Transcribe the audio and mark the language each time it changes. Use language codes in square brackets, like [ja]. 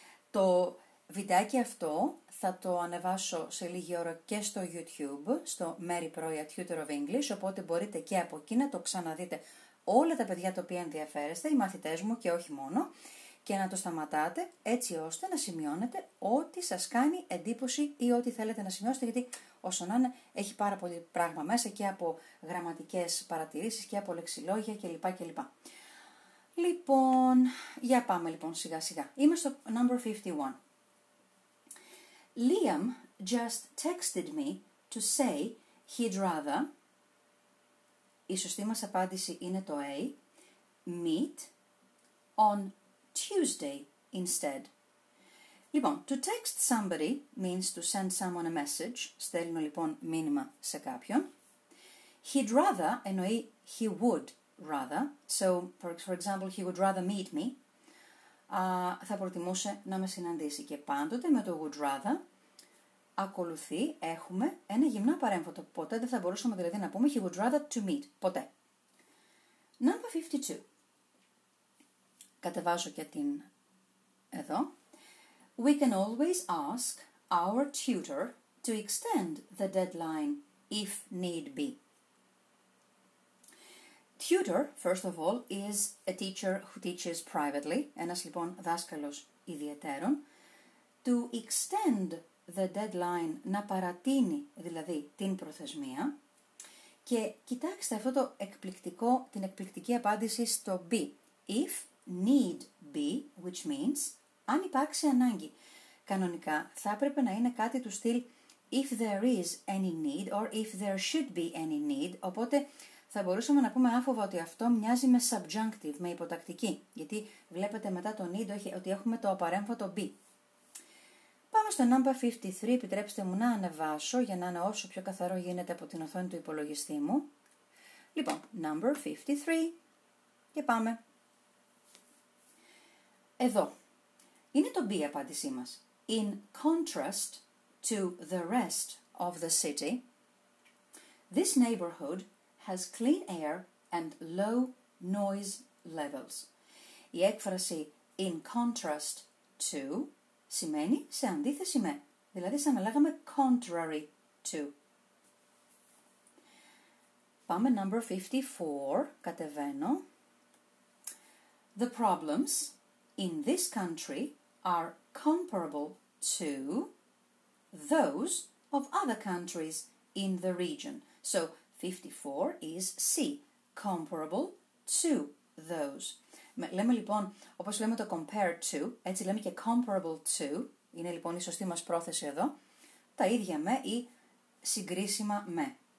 [el] Το βιντεάκι αυτό θα το ανεβάσω σε λίγη ώρα και στο YouTube, στο Mary Proia Tutor of English, οπότε μπορείτε και από εκεί να το ξαναδείτε όλα τα παιδιά τα οποία ενδιαφέρεστε, οι μαθητές μου και όχι μόνο, και να το σταματάτε έτσι ώστε να σημειώνετε ό,τι σας κάνει εντύπωση ή ό,τι θέλετε να σημειώσετε, γιατί όσο να είναι, έχει πάρα πολύ πράγμα μέσα και από γραμματικές παρατηρήσεις και από λεξιλόγια κλπ. Λοιπόν, για πάμε λοιπόν σιγά σιγά. Είμαι στο number 51. [en] Liam just texted me to say he'd rather, [el] η σωστή μας απάντηση είναι το A, [en] meet on Tuesday instead. Λοιπόν, to text somebody means to send someone a message, [el] στέλνω λοιπόν μήνυμα σε κάποιον. He'd rather, εννοεί he would rather, [en] so for example he would rather meet me, [el] θα προτιμούσε να με συναντήσει, και πάντοτε με το would rather ακολουθεί, έχουμε ένα γυμνά παρέμφωτο. Ποτέ δεν θα μπορούσαμε δηλαδή να πούμε [en] he would rather to meet. [el] Ποτέ. Number 52. Κατεβάζω και την εδώ. [en] We can always ask our tutor to extend the deadline if need be. Tutor, first of all, is a teacher who teaches privately. [el] Ένας λοιπόν δάσκαλος ιδιαιτέρων. [en] To extend the deadline, [el] να παρατείνει δηλαδή την προθεσμία, και κοιτάξτε αυτό το εκπληκτικό, την εκπληκτική απάντηση στο B. [en] If need be, which means [el] αν υπάρξει ανάγκη. Κανονικά θα έπρεπε να είναι κάτι του στυλ [en] if there is any need [el] or if there should be any need, οπότε θα μπορούσαμε να πούμε άφοβα ότι αυτό μοιάζει με subjunctive, με υποτακτική, γιατί βλέπετε μετά το need ότι έχουμε το απαρέμφωτο B. Πάμε στο number 53, επιτρέψτε μου να ανεβάσω για να είναι όσο πιο καθαρό γίνεται από την οθόνη του υπολογιστή μου. Λοιπόν, number 53 και πάμε. Εδώ, είναι το B η απάντησή μας. [en] In contrast to the rest of the city, this neighborhood has clean air and low noise levels. [el] Η έκφραση in contrast to σημαίνει σε αντίθεση με, δηλαδή σαν να λέγαμε contrary to. Πάμε number 54, κατεβαίνω. [en] The problems in this country are comparable to those of other countries in the region. So 54 is C, comparable to those. [el] Λέμε λοιπόν, όπως λέμε το compare to, έτσι λέμε και comparable to, είναι λοιπόν η σωστή μας πρόθεση εδώ, τα ίδια με ή συγκρίσιμα με.